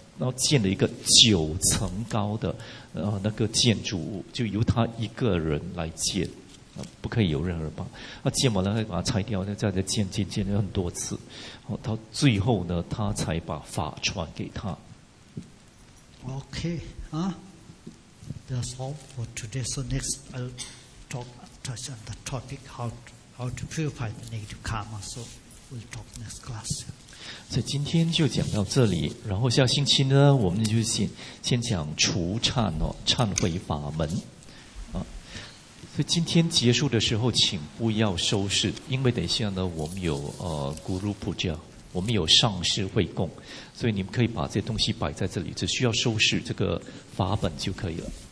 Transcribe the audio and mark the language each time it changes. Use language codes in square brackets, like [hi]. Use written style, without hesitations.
[zh] 然后建了一个9层高的那个建筑物，就由他一个人来建，不可以有任何人帮。建完了，他把它拆掉，再建很多次。到最后呢，他才把法传给他。Okay, [en] That's all for today. So next, I'll talk touch on the topic how to purify the negative karma. So we'll talk next class. [zh] 所以今天就讲到这里，然后下星期呢，我们就先讲除忏哦，忏悔法门，啊，所以今天结束的时候，请不要收拾，因为等一下呢，我们有Guru Puja，我们有上师会供，所以你们可以把这些东西摆在这里，只需要收拾这个法本就可以了。